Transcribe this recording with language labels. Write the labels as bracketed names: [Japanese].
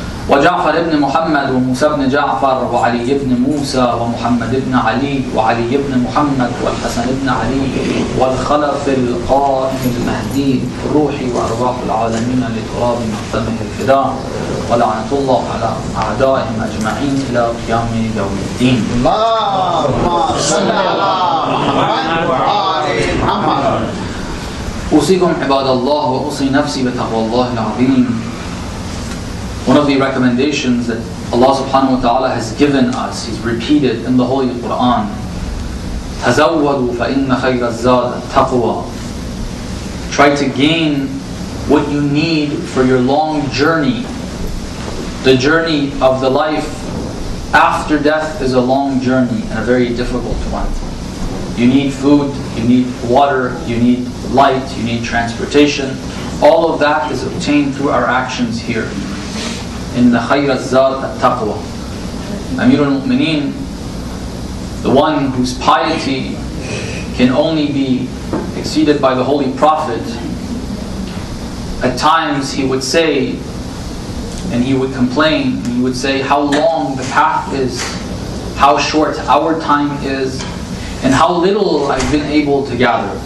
[Arabic] وجعفر ابن محمد وموسى ابن جعفر وعلي ابن موسى ومحمد ابن علي وعلي ابن محمد والحسن ابن علي والخلف القائم المهدي روحي وأرواح العالمين لتراب مقدمه الفداء ولعنة الله على أعدائهم أجمعين إلى قيام يوم الدين. اللهم صل على محمد وعلى محمد. أوصيكم عباد الله وأوصي نفسي بتقوى الله العظيم. [English] One of the recommendations that Allah subhanahu wa ta'ala has given us, He's repeated in the Holy Quran, [Arabic] تَزَوَّدُوا فَإِنَّ خَيْرَ الزَّادَ التَّقْوَى. [English] Try to gain what you need for your long journey. The journey of the life after death is a long journey and a very difficult one. You need food, you need water, you need light, you need transportation. All of that is obtained through our actions here. In the [Arabic] خَيْرَ الزَّادَ التَّقْوَى. [English] Amir al-Mu'mineen, the one whose piety can only be exceeded by the Holy Prophet, at times he would say, and he would complain, and he would say how long the path is, how short our time is, and how little I've been able to gather.